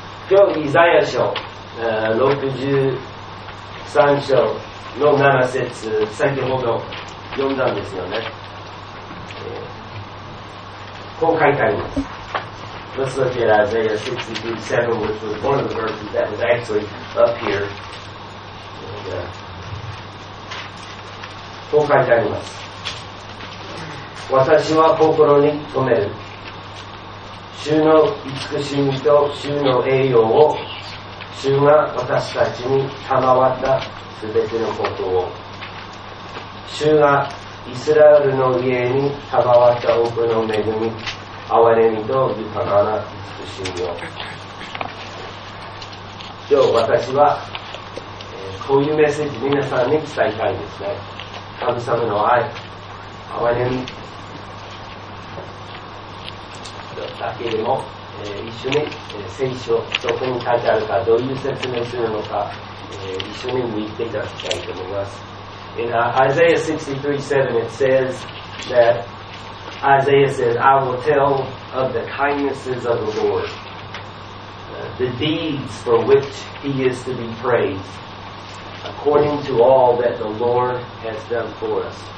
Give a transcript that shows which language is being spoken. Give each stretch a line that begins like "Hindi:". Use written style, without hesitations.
Japanese: 今日イザヤ書、63章の7節先ほど読んだんですよね。こう書いてあります。
English: Let's look at Isaiah 63:7, which was one of the verses that was actually up here.
Japanese: こう書いてあります。私は心に留める。主の慈しみと主の栄養を、主が私たちに賜ったすべてのことを。主がイスラエルの家に賜った多くの恵み、憐れみと豊かな慈しみを。今日私は、こういうメッセージ皆さんに伝えたいですね。神様の愛、憐れみだけでも、一緒に、聖書どこに書いてあるか、どういう説明するのか、一緒に見ていただきたいと思います。
English: In Isaiah 63:7 it says thatIsaiah says, I will tell of the kindnesses of the Lord, the deeds for which he is to be praised, according to all that the Lord has done for us.